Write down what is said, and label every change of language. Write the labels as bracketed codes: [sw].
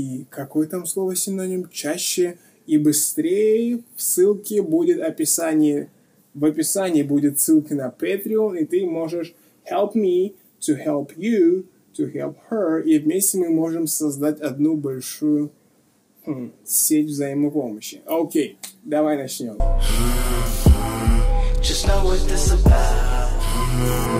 [ru] Какое там слово-синоним? Чаще... И быстрее в ссылке будет описание. В описании будет ссылка на Patreon, и ты можешь [en] help me to help you to help her. [ru] И вместе мы можем создать одну большую сеть взаимопомощи. Окей, давай начнем. [en] Just know what this about.